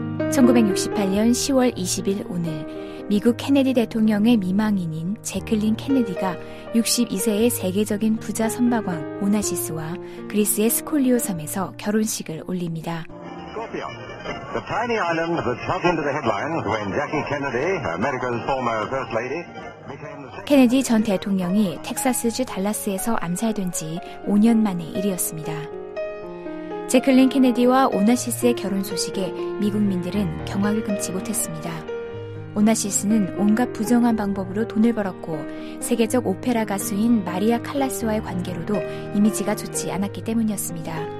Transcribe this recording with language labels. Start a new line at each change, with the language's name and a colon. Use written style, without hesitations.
Korean: 1968년 10월 20일 오늘 미국 케네디 대통령의 미망인인 재클린 케네디가 62세의 세계적인 부자 선박왕 오나시스와 그리스의 스콜리오 섬에서 결혼식을 올립니다.
English: Scorpio, the tiny island that shot into the headlines when Jackie Kennedy, America's former first lady.
Korean: 케네디 전 대통령이 텍사스주 달라스에서 암살된 지 5년 만의 일이었습니다. 재클린 케네디와 오나시스의 결혼 소식에 미국민들은 경악을 금치 못했습니다. 오나시스는 온갖 부정한 방법으로 돈을 벌었고 세계적 오페라 가수인 마리아 칼라스와의 관계로도 이미지가 좋지 않았기 때문이었습니다.